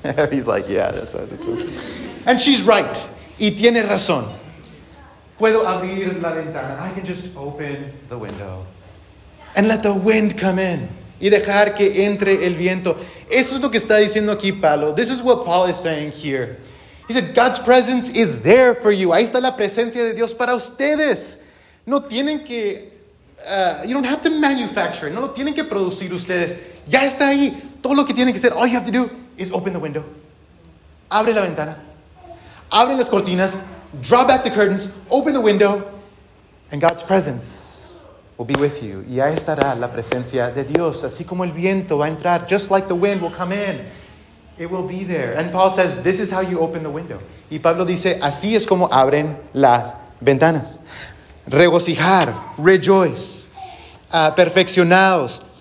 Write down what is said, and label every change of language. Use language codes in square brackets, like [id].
[en] He's like, yeah, that's how it is. And she's right. [es] Y tiene razón. Puedo abrir la ventana. [en] I can just open the window. And let the wind come in. [es] Y dejar que entre el viento. Eso es lo que está diciendo aquí Pablo. [en] This is what Paul is saying here. He said, God's presence is there for you. [es] Ahí está la presencia de Dios para ustedes. No tienen que... [en] you don't have to manufacture it. [es] No lo tienen que producir ustedes. Ya está ahí. Todo lo que tienen que hacer. [en] All you have to do is open the window. [es] Abre la ventana. Abre las cortinas. [en] Draw back the curtains. Open the window. And God's presence will be with you. [es] Y ahí estará la presencia de Dios. Así como el viento va a entrar. [en] Just like the wind will come in. It will be there. And Paul says, this is how you open the window. [es] Y Pablo dice, así es como abren las ventanas. Regocijar, rejoice, perfeccionados,